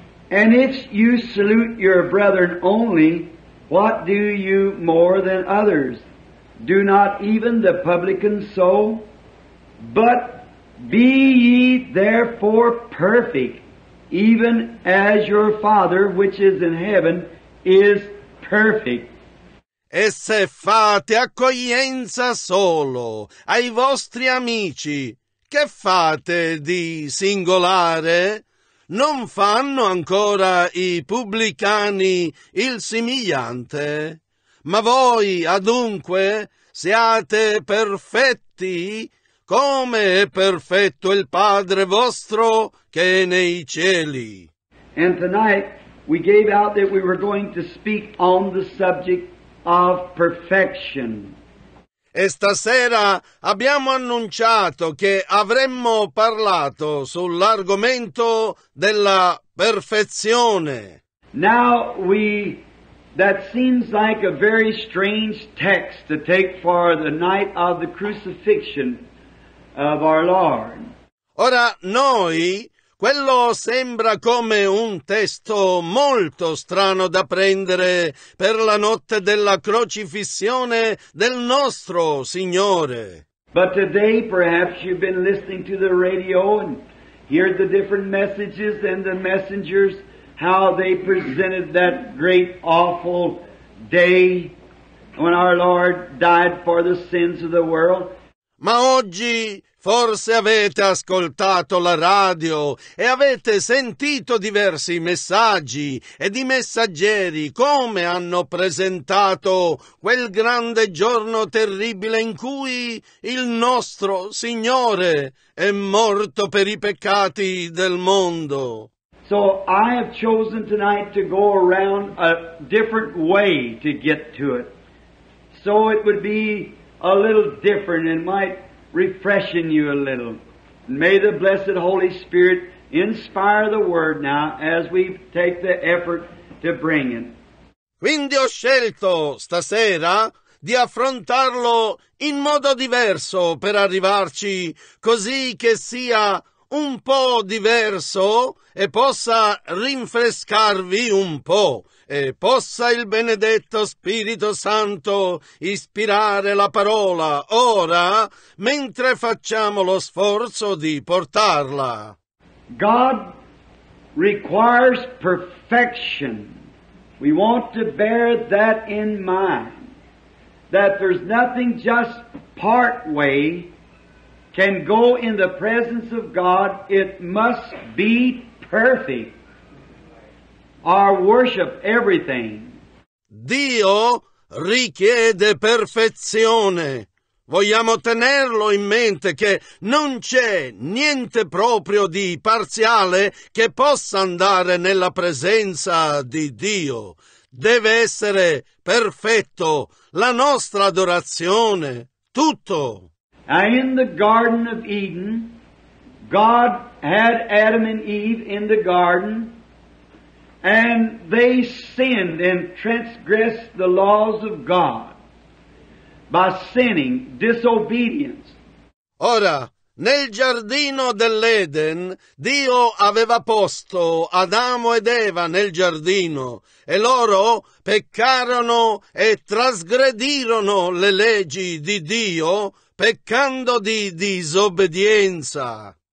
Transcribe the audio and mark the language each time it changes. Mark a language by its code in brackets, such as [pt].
[en] And if you salute your brethren only, what do you more than others? Do not even the publicans so? But be ye therefore perfect, even as your Father which is in heaven is perfect. [it] E se fate accoglienza solo ai vostri amici, che fate di singolare? Non fanno ancora i pubblicani il simigliante? Ma voi, adunque, siate perfetti, come è perfetto il Padre vostro che è nei cieli. [en] And tonight we gave out that we were going to speak on the subject of perfection. [it] E stasera abbiamo annunciato che avremmo parlato sull'argomento della perfezione. [en] Now that seems like a very strange text to take for the night of the crucifixion of our Lord. [it] Ora noi, quello sembra come un testo molto strano da prendere per la notte della crocifissione del nostro Signore. [en] But today perhaps you've been listening to the radio and heard the different messages and the messengers, how they presented that great awful day when our Lord died for the sins of the world. [it] Ma oggi forse avete ascoltato la radio e avete sentito diversi messaggi e di messaggeri come hanno presentato quel grande giorno terribile in cui il nostro Signore è morto per i peccati del mondo. [en] So I have chosen tonight to go around a different way to get to it. So it would be a little different and might refreshing you a little. May the blessed Holy Spirit inspire the word now as we take the effort to bring it. [it] Quindi ho scelto stasera di affrontarlo in modo diverso per arrivarci così che sia un po' diverso e possa rinfrescarvi un po', e possa il benedetto Spirito Santo ispirare la parola ora, mentre facciamo lo sforzo di portarla. [en] God requires perfection. We want to bear that in mind, that there's nothing just part way can go in the presence of God. It must be perfect. Our worship, everything. [it] Dio richiede perfezione. Vogliamo tenerlo in mente che non c'è niente proprio di parziale che possa andare nella presenza di Dio. Deve essere perfetto la nostra adorazione, tutto. [en] In the Garden of Eden, God had Adam and Eve in the garden, and they sinned and transgressed the laws of God by sinning, disobedience. [it] Ora, nel giardino dell'Eden, Dio aveva posto Adamo ed Eva nel giardino, e loro peccarono e trasgredirono le leggi di Dio, peccando di disobbedienza.